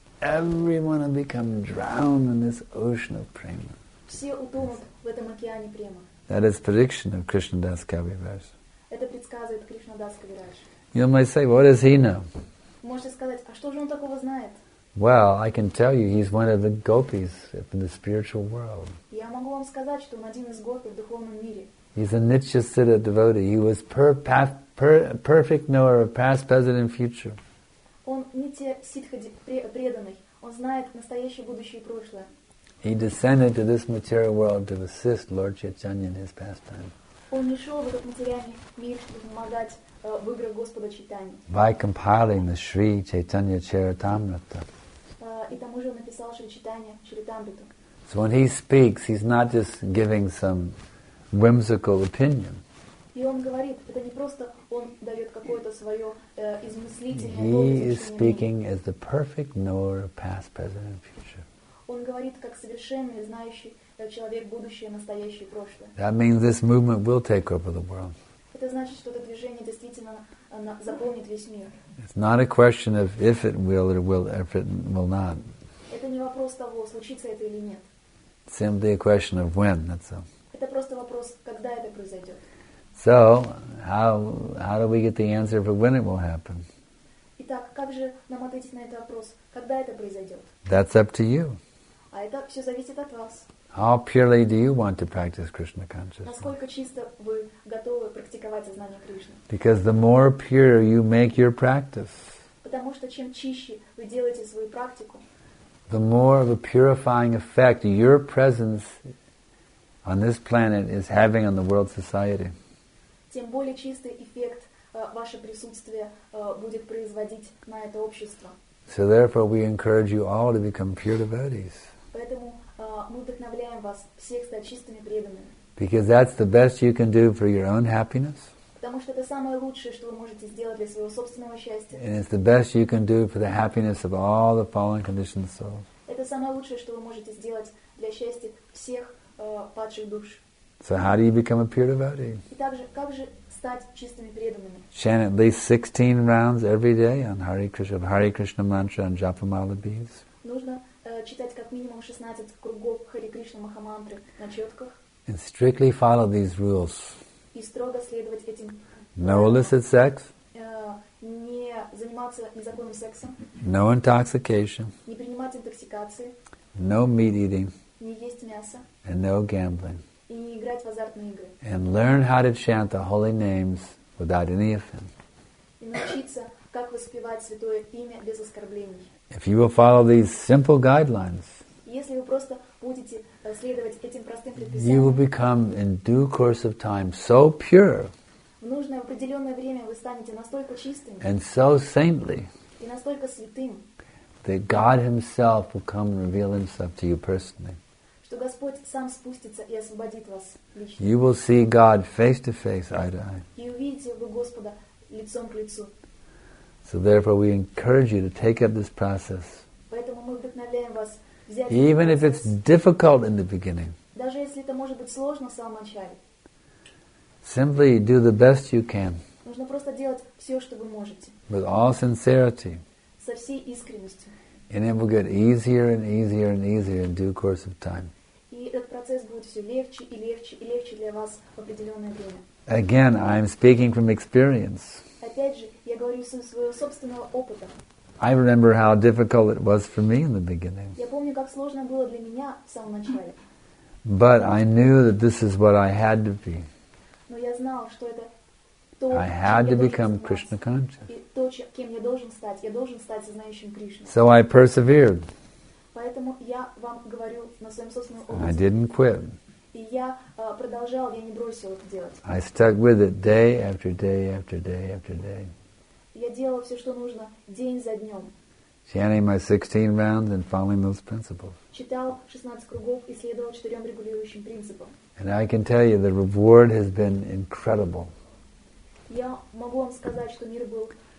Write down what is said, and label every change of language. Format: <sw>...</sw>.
<en>Everyone will become drowned in this ocean of prema.</en> <ru>Все утонут в этом океане према.</ru> <en>That is prediction of Krishnadas Kaviraj.</en> <ru>Это предсказывает Кришнадас Кавираж.</ru> <en>You might say, what does he know?</en> <ru>Можете сказать, а что же он такого знает?</ru> <en>Well, I can tell you, he's one of the gopis in the spiritual world.</en> <ru>Я могу вам сказать, что он один из гопи в духовном мире.</ru> <en>He's a Nityasiddha devotee. He was perfect knower of past, present, and future.</en> <ru>Он Нитья-ситха преданный. Он знает настоящее, будущее и прошлое.</ru> <en>He descended to this material world to assist Lord Chaitanya in his pastime.</en> <ru>Он не шел в этот материальный мир, чтобы помогать в играх Господа Чайтаньи.</ru> <en>By compiling the Sri Chaitanya Charitamrita.</en> <ru>И там уже написал Шри Чайтанья Чаритамриту.</ru> <en>So when he speaks, he's not just giving some whimsical opinion.</en> <ru>И он говорит, это не просто он дает какое-то свое измыслительное.</ru> <en>He is speaking as the perfect knower of past, present, and future.</en> <ru>Он говорит как совершенный, знающий человек будущее, настоящее и прошлое.</ru> <en>That means this movement will take over the world.</en> <ru>Это значит, что это движение действительно заполнит весь мир.</ru> <en>It's not a question of if it will or will, if it will not.</en> <ru>Это не вопрос того, случится это или нет.</ru> <en>It's simply a question of when, that's all.</en> <ru>Это просто вопрос, когда это произойдет.</ru> <en>So, how do we get the answer for when it will happen?</en> <ru>Итак, как же нам ответить на этот вопрос, когда это произойдет?</ru> <en>That's up to you.</en> <ru>А это все зависит от вас.</ru> <en>How purely do you want to practice Krishna consciousness?</en> <ru>Насколько чисто вы готовы практиковать сознание Кришны?</ru> <en>Because the more pure you make your practice.</en> <ru>Потому что чем чище вы делаете свою практику.</ru> <en>The more of a purifying effect your presence on this planet is having on the world society.</en> <ru>Тем более чистый эффект ваше присутствие будет производить на это общество.</ru> <en>So therefore we encourage you all to become pure devotees.</en> <ru>Поэтому мы вдохновляем вас всех стать чистыми преданными.</ru> <en>Because that's the best you can do for your own happiness.</en> <ru>Потому что это самое лучшее, что вы можете сделать для своего собственного счастья.</ru> <en>And it's the best you can do for the happiness of all the fallen conditioned souls.</en> <ru>Это самое лучшее, что вы можете сделать для счастья всех падших душ.</ru> <en>So how do you become a pure devotee?</en> <ru>И также, как же стать чистыми преданными?</ru> <en>Chant at least 16 rounds every day on Hare Krishna mantra and japa mala beads.</en> <ru>Нужно читать как минимум 16 кругов Hare Krishna Mahamantra на четках.</ru> <en>And strictly follow these rules.</en> <ru>И строго следовать этим.</ru> <en>No illicit sex.</en> <ru>Не заниматься незаконным сексом.</ru> <en>No intoxication.</en> <ru>Не принимать интоксикации.</ru> <en>No meat eating.</en> <ru>Не есть мясо.</ru> <en>And no gambling.</en> <ru>И не играть в азартные игры.</ru> <en>And learn how to chant the holy names without any offense.</en> <ru>И научиться, как воспевать святое имя без оскорблений.</ru> <en>If you will follow these simple guidelines.</en> <ru>Если вы просто будете следовать этим простым предписаниям,</ru> <en>you will become in due course of time so pure.</en> <ru>В нужное определенное время вы станете настолько чистыми.</ru> <en>And so saintly.</en> <ru>И настолько святым.</ru> <en>That God Himself will come and reveal Himself to you personally.</en> <ru>Что Господь сам спустится и освободит вас лично.</ru> <en>You will see God face to face, eye to eye.</en> <ru>И увидите вы Господа лицом к лицу.</ru> <en>So therefore we encourage you to take up this process.</en> <ru>Поэтому мы вдохновляем вас.</ru> <en>Even if it's difficult in the beginning,</en> <ru>даже если это может быть сложно в самом начале,</ru> <en>simply do the best you can.</en> <ru>Нужно просто делать все, что вы можете.</ru> <en>With all sincerity,</en> <ru>со всей искренностью,</ru> <en>and it will get easier and easier and easier in due course of time.</en> <ru>И этот процесс будет все легче и легче и легче для вас в определенное время.</ru> <en>Again, I am speaking from experience.</en> <ru>Опять же, я говорю из своего собственного опыта.</ru> <en>I remember how difficult it was for me in the beginning.</en> <ru>Я помню, как сложно было для меня в самом начале.</ru> <en>But I knew that this is what I had to be.</en> <ru>Но я знал, что это то,</ru> <en>I had to become Krishna conscious.</en> <ru>И то, кем я должен стать. Я должен стать сознающим Кришну.</ru> <en>So I persevered.</en> <ru>Поэтому я вам говорю на своем собственном опыте.</ru> <en>I didn't quit.</en> <ru>И я продолжал, я не бросил это делать.</ru> <en>I stuck with it day after day after day after day.</en> <ru>Я делал все, что нужно, день за днем.</ru> <en>Chanting my 16 rounds and following those principles.</en> <ru>Читал 16 кругов и следовал четырем регулирующим принципам.</ru> <en>And I can tell you, the reward has been incredible.</en> <ru>Я могу вам сказать, что мир был</ru>